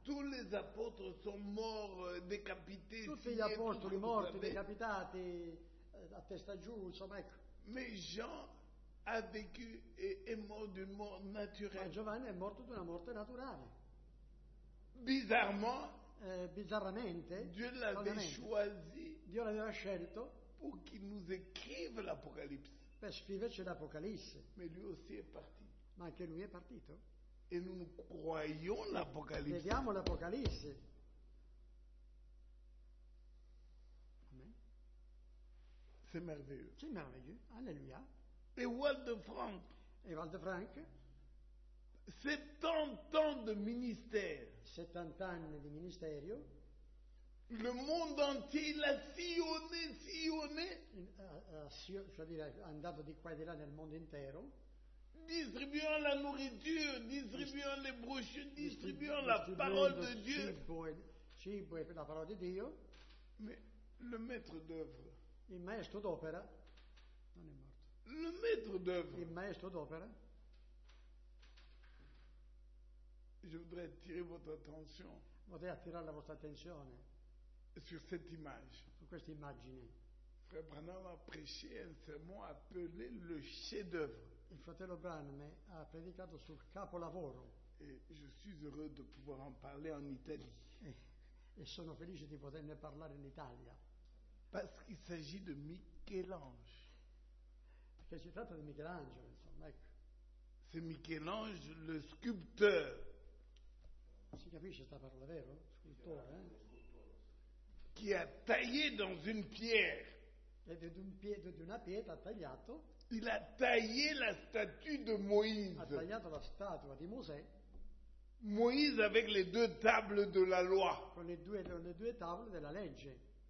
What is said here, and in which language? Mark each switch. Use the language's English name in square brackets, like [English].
[French] Tous les apôtres sont morts décapités. [Italian] Tutti gli apostoli morti, decapitati, a testa giù, insomma, ecco. [French] Mais Jean a vécu et est mort d'une mort naturelle. [Italian] Ma Giovanni è morto di una morte naturale. [French] Bizarrement. [Italian] Bizarramente. [French] Dieu l'avait choisi. [Italian] Dio l'aveva scelto. [French] Pour qu'il nous écrive l'Apocalypse. [Italian] Per scriverci l'Apocalisse. [French] Mais lui aussi est parti. [Italian] Ma anche lui è partito. E non [French] croyons [Italian] l'Apocalisse. Vediamo l'Apocalisse. Amen. [French] C'est merveilleux. C'est merveilleux. Alléluia. Et Walter Frank. Et Walter Frank. 70 ans de ministère. [Italian] 70 anni di ministerio. [French] Le monde entier l'a sillonné, sillonné. C'est-à-dire, [Italian] andato di qua e di là nel mondo intero. [French] Distribuant la nourriture, distribuant les brochures, distribuant la parole de Dieu. [Italian] Cibo e la parola di Dio. [French] Mais le maître d'œuvre. [Italian] Il maestro d'opera. Non è morto. [French] Le maître d'œuvre. [Italian] Il maestro d'opera. [French] Je voudrais attirer votre attention. [Italian] Vorrei attirare la vostra attenzione. [French] Sur cette image. [Italian] Su questa immagine. [French] Frère Branham a prêché un sermon appelé le chef-d'œuvre. [Italian] Il fratello Branham ha predicato sul capolavoro. [French] Et je suis heureux de pouvoir en parler en Italie. [Italian] E sono felice di poterne parlare in Italia. [French] Parce qu'il s'agit de Michel-Ange. [Italian] Perché si tratta di Michelangelo, insomma, ecco. [French] C'est Michel-Ange le sculpteur. [Italian] Si capisce sta parola, vero? Scultore, eh? [French] Qui a taillé dans une pierre. [Italian] Ed è d'una pietra tagliato. [French] Il a taillé la statue de Moïse. [Italian] Ha tagliato la statua di Mosè. [French] Moïse avec les deux tables de la loi. [Italian] Con le due tavole della legge.